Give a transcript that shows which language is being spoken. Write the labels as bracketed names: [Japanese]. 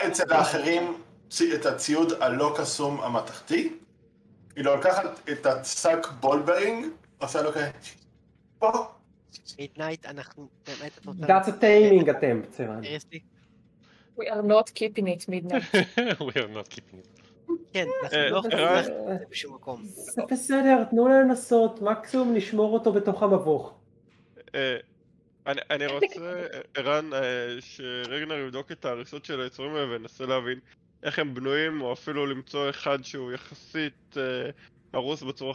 [Hebrew] היא שמה אצל האחרים את הציוד הלא קסום המתכתי. היא לוקחת את הצק בולברינג, עושה לו כזה... מידנייט, אנחנו באמת... [English] That's a taming attempt, סירן. We are not keeping it, midnight. We are not keeping it. [Hebrew] כן, אנחנו לא חושבים את זה בשום מקום. זה בסדר, תנו לה לנסות, מקסימום נשמור אותו בתוך המבוך. אני רוצה, ערן, שרגנר יבדוק את ההריסות של היצורים האלה וננסה להבין איך הם בנויים, או אפילו למצוא אחד שהוא יחסית הרוס בצורה